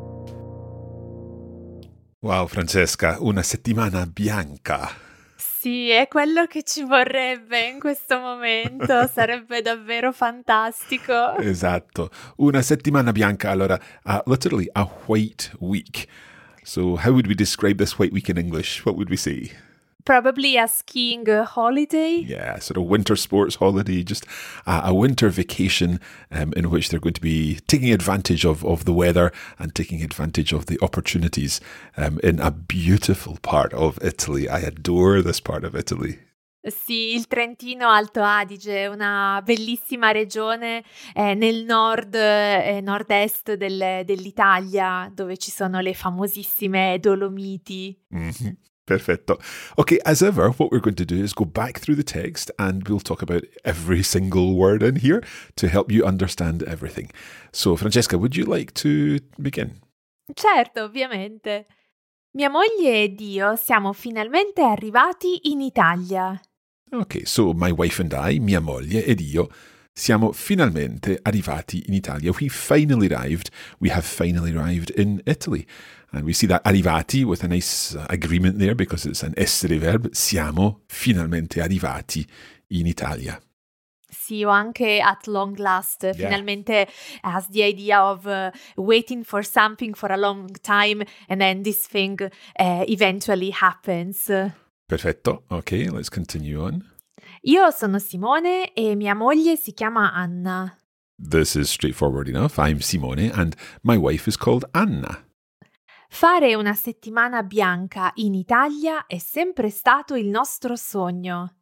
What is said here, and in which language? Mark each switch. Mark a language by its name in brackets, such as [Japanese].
[Italian] Wow, Francesca, una settimana bianca! Sì, è quello che ci vorrebbe in questo momento, sarebbe davvero fantastico! Esatto, una settimana bianca, allora, [English] literally a white week. So how would we describe this white week in English? What would we say? Probably a skiing holiday. Yeah, sort of winter sports holiday, just a winter vacation in which they're going to be taking advantage of the weather and taking advantage of the opportunities in a beautiful part of Italy. I adore this part of Italy. [Italian] Sì, il Trentino Alto Adige, una bellissima regione nel nord e nord-est dell'Italia, dove ci sono le famosissime Dolomiti. Mm-hmm. Perfetto. [English] Okay, as ever, what we're going to do is go back through the text and we'll talk about every single word in here to help you understand everything. So, Francesca, would you like to begin? [Italian] Certo, ovviamente. Mia moglie ed io siamo finalmente arrivati in Italia. [English] Okay, so my wife and I, [Italian] mia moglie ed io, siamo finalmente arrivati in Italia. [English] We finally arrived. We have finally arrived in Italy. And we see that arrivati with a nice agreement there because it's an essere verb. [Italian] Siamo finalmente arrivati in Italia. Sì, o anche [English] at long last. Yeah. Finalmente has the idea of waiting for something for a long time and then this thing eventually happens. Perfetto. Okay, let's continue on. [Italian] Io sono Simone e mia moglie si chiama Anna. [English] This is straightforward enough. I'm Simone and my wife is called Anna. [Italian] Fare una settimana bianca in Italia è sempre stato il nostro sogno.